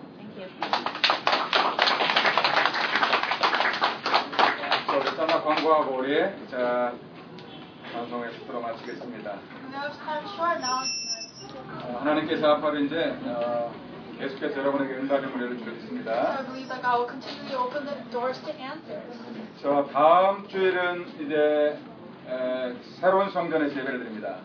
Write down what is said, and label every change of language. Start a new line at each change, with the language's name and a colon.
English: Thank you.
Korean: So, 일단은 광고하고 우리 자 방송의 시도로 마치겠습니다.
English: We have some short announcements.
Korean: 하나님께서 앞으로 이제 계속해서 여러분에게 응답의 문을 주겠습니다.
English: I believe that God will continually open the doors to answers.
Korean: 저 다음 주에는 이제 새로운 성전에서 예배를 드립니다.